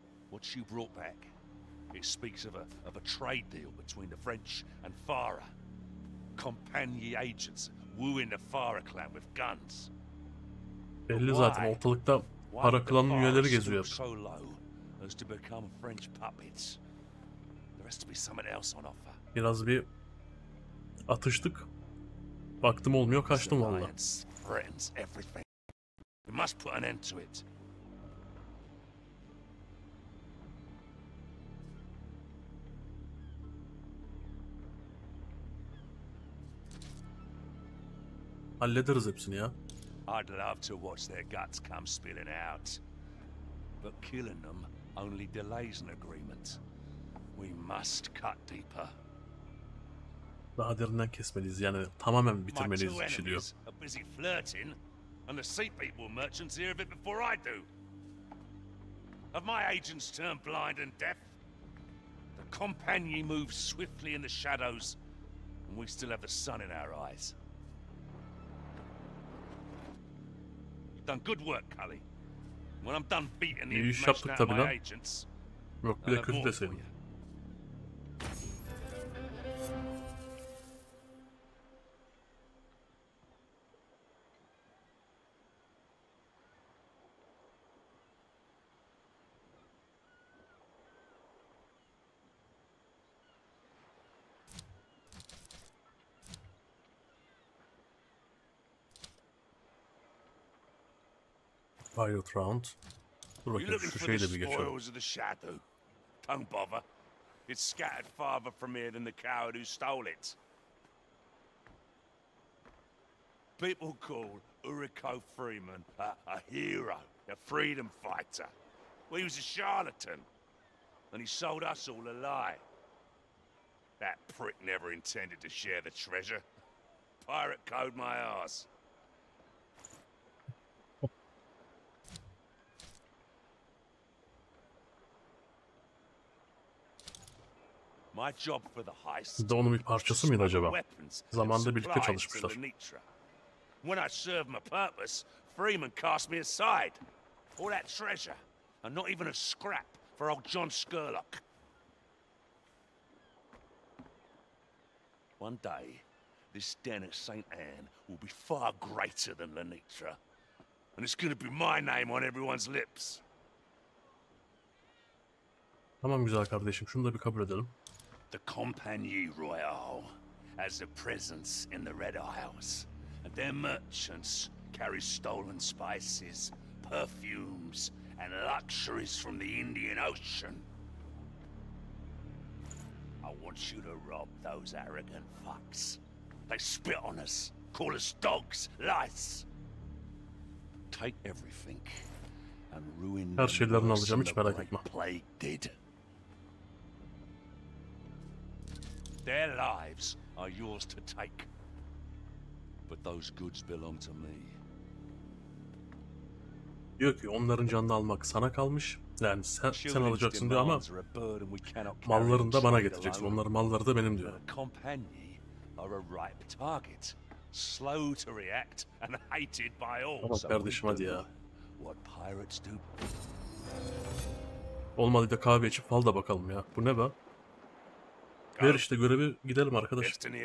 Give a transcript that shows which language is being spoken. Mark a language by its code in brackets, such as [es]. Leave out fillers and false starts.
[en] What you brought back, it speaks of a trade deal between the French and Farah. Compagnie agents wooing the Farah clan with guns. [tr] Belli zaten ortalıkta para klanın üyeleri geziyor. [en] Why so low as to become French puppets? There has to be something else on offer. [tr] Biraz bir atıştık. Baktım olmuyor, kaçtım valla. [en] Friends, everything. We must put an end to it. [tr] Hallederiz hepsini ya. [en] I'd love to watch their guts come spilling out. But killing them only delays an agreement. We must cut deeper. [tr] Daha derinden kesmeliyiz yani, tamamen bitirmeliyiz işi diyor. [en] busy flirting, and the sea people merchants hear of it before I do. Have my agents turned blind and deaf? The Compagnie moves swiftly in the shadows, and we still have the sun in our eyes. You've done good work, Cully. When I'm done beating the information out of my agents, I'll have more for you. Pilot round. [tr] Dur bakayım, şu şeyi de bir geçelim. [en] Don't bother. It's scattered farther from here than the coward who stole it. People call Ulrico Freeman a hero, a freedom fighter. Well, he was a charlatan, and he sold us all a lie. That prick never intended to share the treasure. Pirate code my ass. My job for the heist. [tr] De onun bir parçası mıydı acaba? Zamanda birlikte çalışmışlar. [en] When I served my purpose, Freeman cast me aside. All that treasure, and not even a scrap for old John Scurlock. One day, this den at St. Anne will be far greater than Lenitra, and it's going to be my name on everyone's lips. [tr] Tamam güzel kardeşim, şunu da bir kabul edelim. [en] The Compagnie Royale has a presence in the Red Isles, and their merchants carry stolen spices, perfumes, and luxuries from the Indian Ocean. I want you to rob those arrogant fucks. They spit on us, call us dogs, lice. Take everything and ruin [tr] her şeylerini alacağım, hiç merak etme. [en] Plague did. Their lives are yours to take, but those goods belong to me. [tr] Diyor ki onların canını almak sana kalmış, yani sen alacaksın diyor ama mallarını da bana getireceksin, onların malları da benim diyor. [en] Compagnie are a ripe target, slow to react and hated by all. [tr] Bak kardeşim hadi ya. [en] What pirates do? [tr] Olmadı da kahve içip fal da bakalım ya. Bu ne be? Ver işte görevi, gidelim arkadaş.